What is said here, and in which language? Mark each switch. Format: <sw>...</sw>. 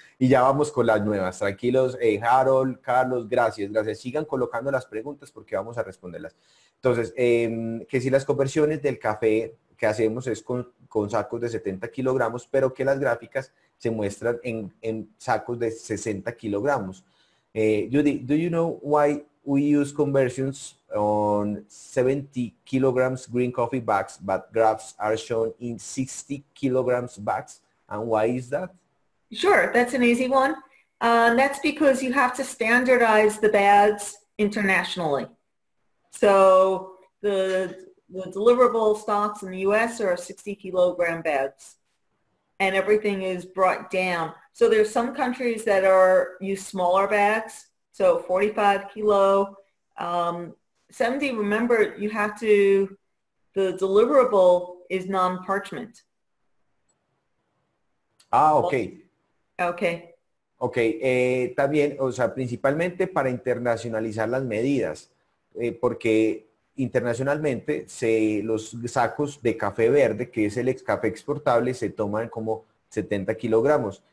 <es>Y ya vamos con las nuevas. Tranquilos, Harold, Carlos, gracias, gracias. Sigan colocando las preguntas porque vamos a responderlas. Entonces, que si las conversiones del café que hacemos es con sacos de 70 kilogramos, pero que las gráficas se muestran en sacos de 60 kilogramos.</es> <en>Judy, do you know why we use conversions on 70 kilograms green coffee bags, but graphs are shown in 60 kilograms bags? And why is that? Sure, that's an easy one. That's because you have to standardize the bags internationally. So the deliverable stocks in the US are 60 kilogram bags and everything is brought down. So there's some countries that are use smaller bags, so 45 kilo, 70, remember you have to, the deliverable is non-parchment. Ah, okay. Okay.</en> <es>Okay, también, o sea, principalmente para internacionalizar las medidas. Porque internacionalmente los sacos de café verde, que es el café exportable, se toman como 70 kilogramos.</es>